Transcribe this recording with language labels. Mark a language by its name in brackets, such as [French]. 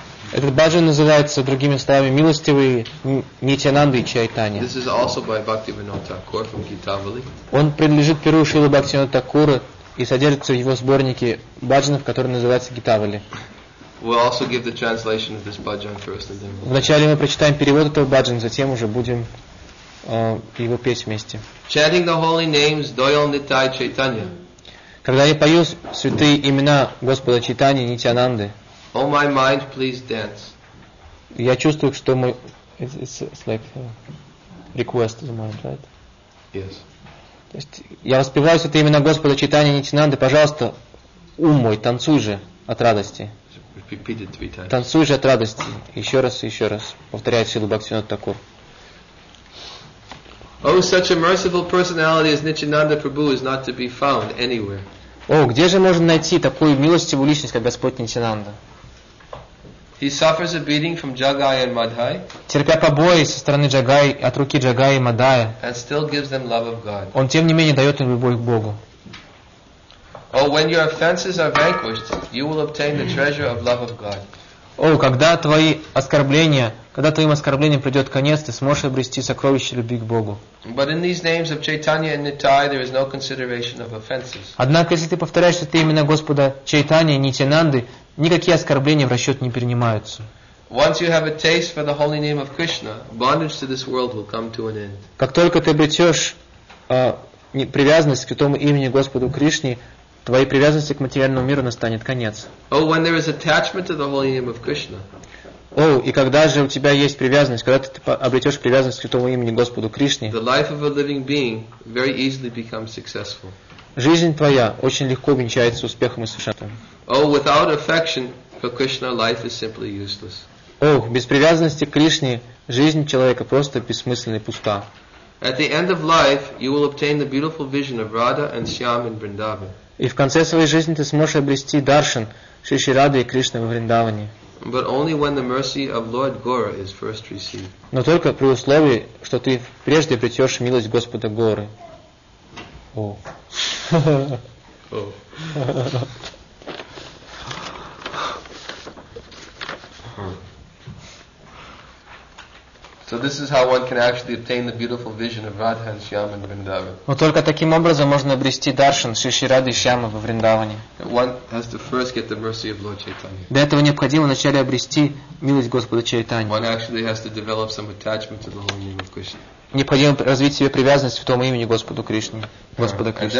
[Russian] Этот баджан называется другими словами милостивый Нитянанда и Чайтанья. [English] This is also by Bhaktivinoda Thakur from Gitavali. [Russian] Он принадлежит перу Шрилы Бхактивинода Такура и содержится в его сборнике баджанов, который называется Гитавали. [English] We'll also give the translation of this bhajan first, and then. [Russian] Вначале мы прочитаем перевод этого баджана, затем уже будем его петь вместе. [English] Chanting the holy names, Doyal Nitai Chaitanya. [Russian] Когда я пою святые имена Господа Чайтанья и Нитянанды. [English] Oh, my mind, please dance. [Russian] Я чувствую, что мой [English] it's like a request of mind, right? Yes. [Russian] То есть я воспеваю святые имена Господа Чайтанья и Нитянанды, пожалуйста, ум мой, танцуй же от радости. [English] Repeat it three times. [Russian] Танцуй же от радости. Еще раз, повторяет Шрила Бхактивинода Такур. [English] Oh, such a merciful personality as Nityananda Prabhu is not to be found anywhere. [Russian] О, где же можно найти такую милостивую личность, как Господь Нитянанда? [English] He suffers a beating from Jagai and Madhai. [Russian] Терпя побои со стороны Джагай, от руки Джагай и Мадая. [English] And still gives them love of God. [Russian] Он тем не менее дает им любовь к Богу. [English] Oh, when your offenses are vanquished, you will obtain the treasure of love of God. [Russian] О, когда твои оскорбления, когда твоим оскорблением придет конец, ты сможешь обрести сокровище любви к Богу. [English] But in these names of Chaitanya and Nitai, there is no consideration of offenses. [Russian] Однако, если ты повторяешь, что ты имена Господа Чайтанья и Нитянанды, никакие оскорбления в расчет не принимаются. [English] Once you have a taste for the holy name of Krishna, bondage to this world will come to an end. [Russian] Как только ты обретешь привязанность к святому имени Господу Кришне, твоей привязанности к материальному миру настанет конец. [English] Oh, when there is attachment to the holy name of Krishna. [Russian] Oh, и когда же у тебя есть привязанность, когда ты обретешь привязанность к святому имени Господу Кришне, [English] the life of a living being very easily becomes successful. [Russian] Жизнь твоя очень легко венчается успехом и совершенством. [English] Oh, without affection for Krishna, life is simply useless. [Russian] Oh, без привязанности к Кришне жизнь человека просто бессмысленна и пуста. [English] At the end of life, you will obtain the beautiful vision of Radha and Shyam in Vrindavan. [Russian] И в конце своей жизни ты сможешь обрести даршан Шри Шри Рады и Кришны во Вриндаване. [English] But only when the mercy of Lord Gaura is first received. [Russian] Но только при условии, что ты прежде обретешь милость Господа Горы. О. [English] So this is how one can actually obtain the beautiful vision of Radha and Shyam in Vrindavan. [Russian] Но только таким образом можно обрести даршан Шри Шри Рады и Шьямы во Вриндаване. [English] One has to first get the mercy of Lord Chaitanya. [Russian] Для этого необходимо вначале обрести милость Господа Чайтаньи. [English] One actually has to develop some attachment to the holy name of Krishna. [Russian] Необходимо развить себе привязанность к тому имени Господу Кришне, Господа Кришне.